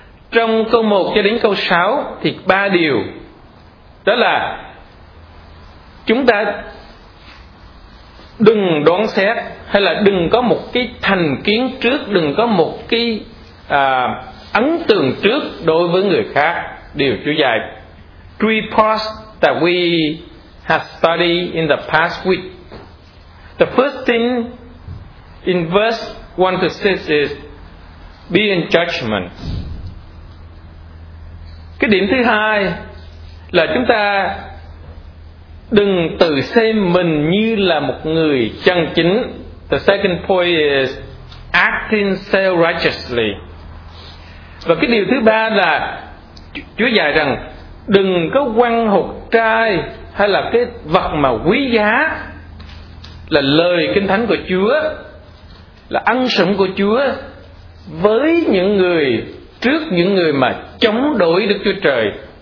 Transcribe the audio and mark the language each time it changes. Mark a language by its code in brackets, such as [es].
[vi] Trong câu 1 cho đến câu 6 thì ba điều, đó là chúng ta đừng đoán xét, hay là đừng có một cái thành kiến trước, đừng có một cái ấn tượng trước đối với người khác. Điều Chúa dạy: [en] Three parts that we have studied in the past week. The first thing in verse 1 to 6 is be in judgment. [vi] Cái điểm thứ hai là chúng ta đừng tự xem mình như là một người chân chính. [en] The second point is acting self-righteously. [vi] Và cái điều thứ ba là Chúa dạy rằng đừng có quăng hột trai hay là cái vật mà quý giá là lời kinh thánh của Chúa, là ân sủng của Chúa, với những người, trước những người mà chống đối Đức Chúa Trời.